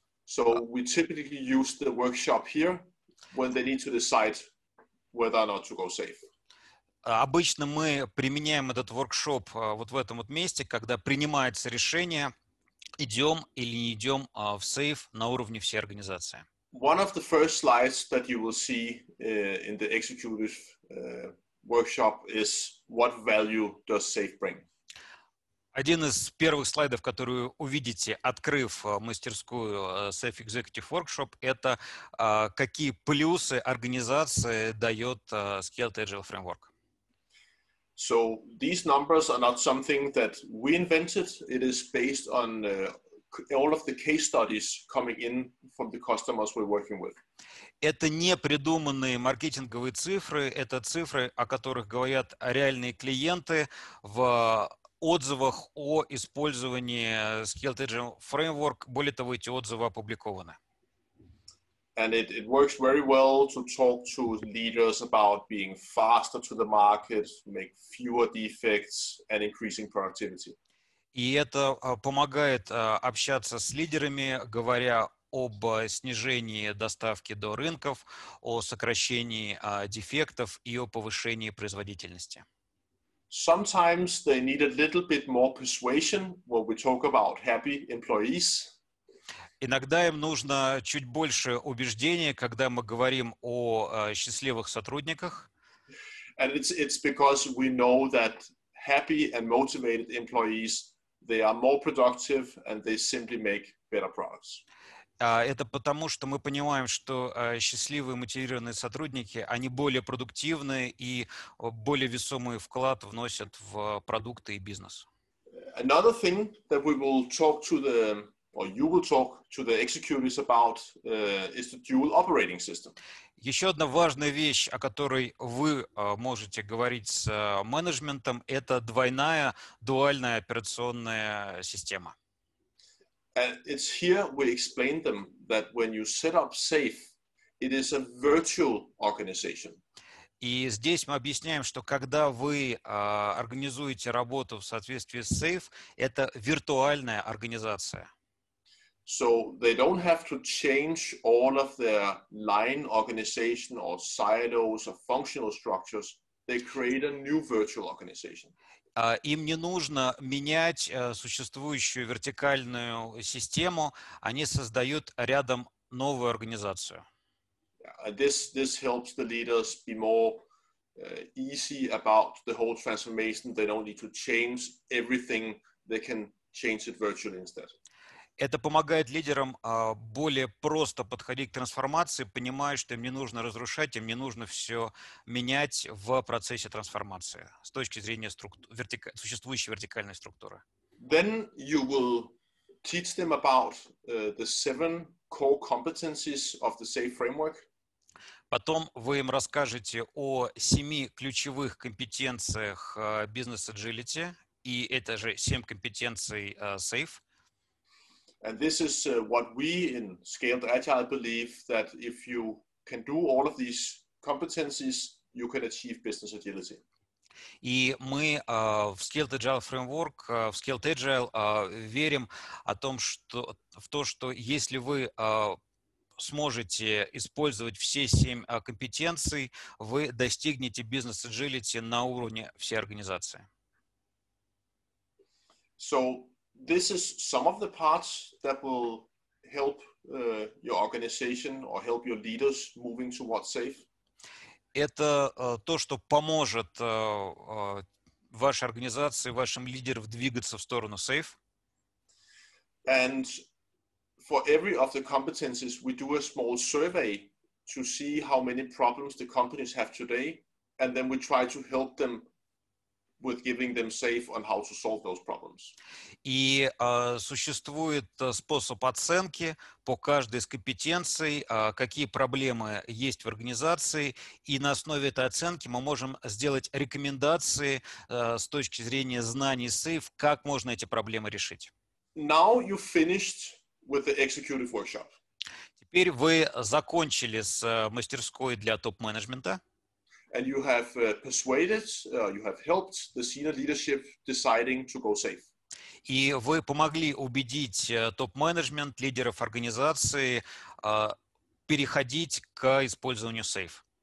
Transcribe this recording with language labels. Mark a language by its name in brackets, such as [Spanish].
[English] So we typically use the workshop here when they need to decide whether or not to go safe. [Russian] Обычно мы применяем этот workshop вот в этом вот месте, когда принимается решение, идем или не идем в safe на уровне всей организации. [English] One of the first slides that you will see in the executive workshop is what value does safe bring? [Russian] Один из первых слайдов, который вы увидите, открыв мастерскую Safe Executive Workshop, это какие плюсы организации дает Scaled Agile Framework. [English] So these numbers are not something that we invented. It is based on all of the case studies coming in from the customers we're working with. [Russian] Это не придуманные маркетинговые цифры, это цифры, о которых говорят реальные клиенты в отзывах о использовании Scaled Agile Framework. Более того, эти отзывы опубликованы. [English] And it works very well to talk to leaders about being faster to the market, make fewer defects, and increasing productivity. [Russian] И это помогает общаться с лидерами, говоря об снижении доставки до рынков, о сокращении дефектов и о повышении производительности. [English] Sometimes they need a little bit more persuasion when we talk about happy employees. [Russian] Иногда им нужно чуть больше убеждения, когда мы говорим о счастливых сотрудниках. [English] And it's because we know that happy and motivated employees, they are more productive and they simply make better products. [Russian] Это потому, что мы понимаем, что счастливые, мотивированные сотрудники, они более продуктивны и более весомый вклад вносят в продукты и бизнес. [English] Another thing that we will talk to the, or you will talk to the executives about, is the dual operating system. [Russian] Еще одна важная вещь, о которой вы можете говорить с менеджментом, это двойная, дуальная операционная система. [English] And it's here we explain them that when you set up SAFE, it is a virtual organization. [Russian] И здесь мы объясняем, что когда вы организуете работу в соответствии с SAFE, это виртуальная организация. [English] So they don't have to change all of their line organization or silos or functional structures. They create a new virtual organization. [Russian] Им не нужно менять существующую вертикальную систему, они создают рядом новую организацию. [English] This helps the leaders be more easy about the whole transformation. They don't need to change everything, they can change it virtually instead. [Russian] Это помогает лидерам более просто подходить к трансформации, понимая, что им не нужно разрушать, им не нужно все менять в процессе трансформации с точки зрения существующей вертикальной структуры. [English] Then you will teach them about the seven core competencies of the SAFE framework. [Russian] Потом вы им расскажете о семи ключевых компетенциях Business Agility, и это же семь компетенций SAFE. [English] And this is what we in Scaled Agile believe, that if you can do all of these competencies, you can achieve business agility. [Russian] И мы в Scaled Agile Framework, в Scaled Agile верим о том, что, в то, что если вы сможете использовать все 7 компетенций, вы достигнете business agility на уровне всей организации. [English] So this is some of the parts that will help your organization or help your leaders moving towards SAFe. [Russian] Это то, что поможет вашей организации, вашим лидерам двигаться в сторону SAFe. [English] And for every of the competencies, we do a small survey to see how many problems the companies have today, and then we try to help them with giving them SAFe on how to solve those problems. [Russian] И существует способ оценки по каждой из компетенций, какие проблемы есть в организации, и на основе этой оценки мы можем сделать рекомендации с точки зрения знаний SAFe, как можно эти проблемы решить. [English] Now you finished with the executive workshop. [Russian] Теперь вы закончили с мастерской для топ-менеджмента. [English] And you have persuaded, you have helped the senior leadership deciding to go SAFe. [Russian] И вы помогли убедить топ-менеджмент, лидеров организации переходить к использованию SAFe.